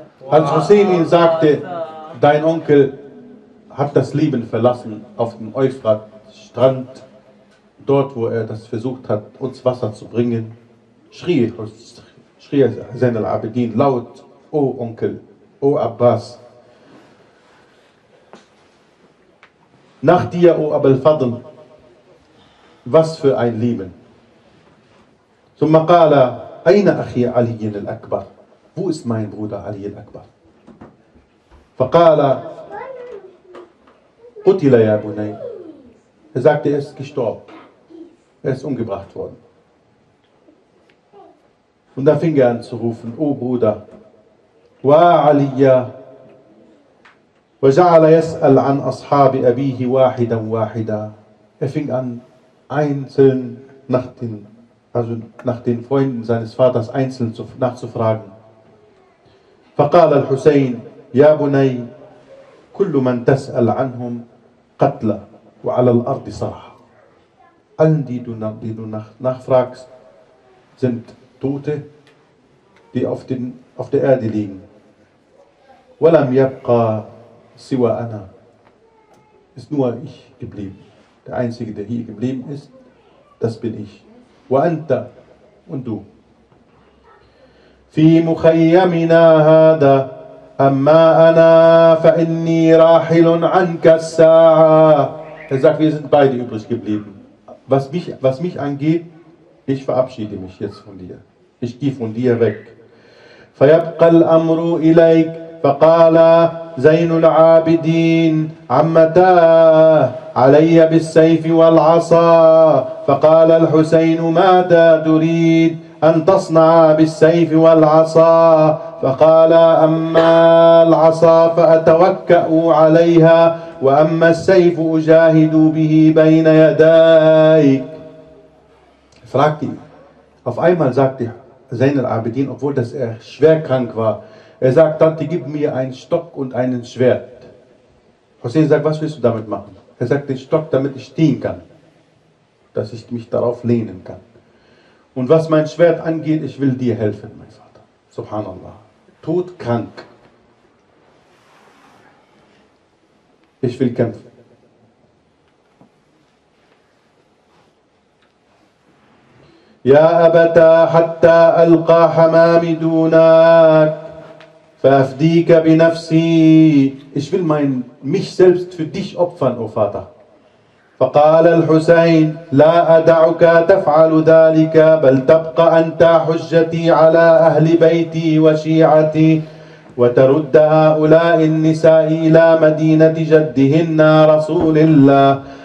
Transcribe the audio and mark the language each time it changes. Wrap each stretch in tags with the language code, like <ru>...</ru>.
<de>Als Hussein ihn sagte, dein Onkel hat das Leben verlassen auf dem Euphratstrand, dort wo er das versucht hat, uns Wasser zu bringen, schrie Zain al-Abidin laut, O Onkel, O Abbas, nach dir, O Abu al-Fadl, was für ein Leben.</de> <ar>ثم قال أين أخي علي الأكبر؟</ar> <de>Wo ist mein Bruder Ali al-Akbar؟</de> <ar>فقال قتل يا بني.</ar> <de>Er sagte, er ist gestorben. Er ist umgebracht worden. Und da fing er an zu rufen, O Bruder, wa Aliya,</de> <ar>وجعل يسأل عن أصحاب أبيه واحدا واحدا.</ar> <de>Er fing an, einzeln nach den Also nach den Freunden seines Vaters einzeln nachzufragen.</de> <ar>فقال الحسين يا بني كل من تسأل عنهم قتلى وعلى الأرض صراحة.</ar> <de>Allen, die du nachfragst, sind Tote, die auf der Erde liegen.</de> <ar>ولم يبقى سوى أنا.</ar> <de>Ist nur ich geblieben. Der Einzige, der hier geblieben ist, das bin ich.</de> <ar>وأنت</ar> <de>und du.</de> <ar>في مخيمنا هذا أما أنا فإني راحل عنك الساعة.</ar> <de>Er sagt, wir sind beide übrig geblieben. Was mich angeht, ich verabschiede mich jetzt von dir. Ich gehe von dir weg.</de> <ar>فيبقى الأمر إليك. فقال زين العابدين عمتا علي بالسيف والعصا فقال الحسين ماذا تريد أن تصنع بالسيف والعصا فقال أما العصا فأتوكأ عليها وأما السيف أجاهد به بين يديك. فراكتي.</ar> <de>Auf einmal sagte Zain al-Abidin, obwohl das er schwer krank war, er sagt, Tante, gib mir einen Stock und einen Schwert. Hussein sagt, was willst du damit machen? Er sagt, den Stock, damit ich stehen kann, dass ich mich darauf lehnen kann. Und was mein Schwert angeht, ich will dir helfen, mein Vater. Subhanallah. Todkrank. Ich will kämpfen.</de> <ar>يا أبتا حتى ألقى حمامي دونك فأفديك بنفسي.</ar> <de>Ich will mich selbst für dich opfern, O Vater.</de> <ar>فقال الحسين لا أدعك تفعل ذلك بل تبقى أنت حجتي على أهل بيتي وشيعتي وترد هؤلاء النساء إلى مدينة جدهن رسول الله.</ar>